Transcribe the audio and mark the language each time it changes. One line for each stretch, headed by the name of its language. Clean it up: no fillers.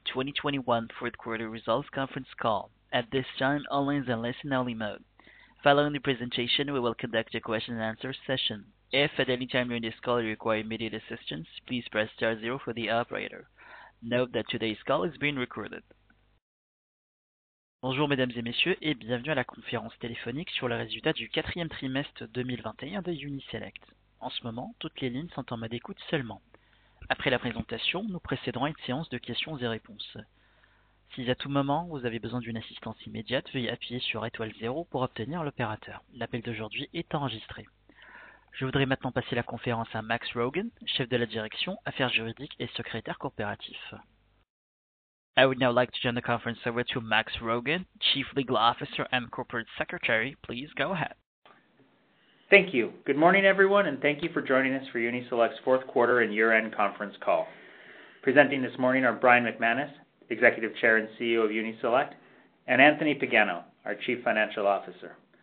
English: 2021 Fourth Quarter Results Conference Call. At this time, all lines are in listen-only mode. Following the presentation, we will conduct a question-and-answer session. If at any time during this call you require immediate assistance, please press star zero for the operator. Note that today's call is being recorded.
French: Bonjour, mesdames et messieurs, et bienvenue à la conférence téléphonique sur le résultat du quatrième trimestre 2021 de Uni-Select. En ce moment, toutes les lignes sont en mode écoute seulement. Après la présentation, nous précéderons une séance de questions et réponses. Si à tout moment, vous avez besoin d'une assistance immédiate, veuillez appuyer sur étoile 0 pour obtenir l'opérateur. L'appel d'aujourd'hui est enregistré. Je voudrais maintenant passer la conférence à Max Rogan, chef de la direction, affaires juridiques et secrétaire corporatif.
English: I would now like to turn the conference over to Max Rogan, Chief Legal Officer and Corporate Secretary. Please go ahead. Thank you. Good morning, everyone, and thank you for joining us for Uni-Select's fourth quarter and year-end conference call. Presenting this morning are Brian McManus, Executive Chair and CEO of Uni-Select, and Anthony Pagano, our Chief Financial Officer.